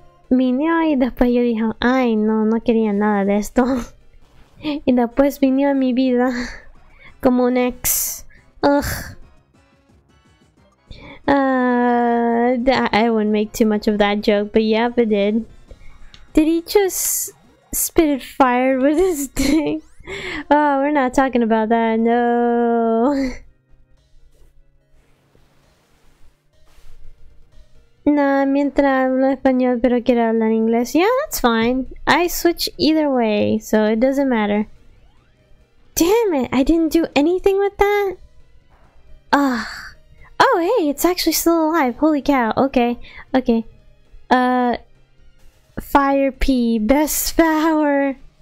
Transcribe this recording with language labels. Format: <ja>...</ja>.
<es>Vino y después yo dije, ay no, no quería nada de esto. Y después vino a mi vida como un ex. Ugh.</es> <en>I wouldn't make too much of that joke, but yeah, it did. Did he just spit it fire with his thing? Oh, we're not talking about that, no.</en> <es>Nah, mientras hablo español, pero quiero hablar inglés.</es> <en>Yeah, that's fine. I switch either way, so it doesn't matter. Damn it, I didn't do anything with that? Ugh. Oh, hey, it's actually still alive. Holy cow. Okay. Fire P, best power.</en>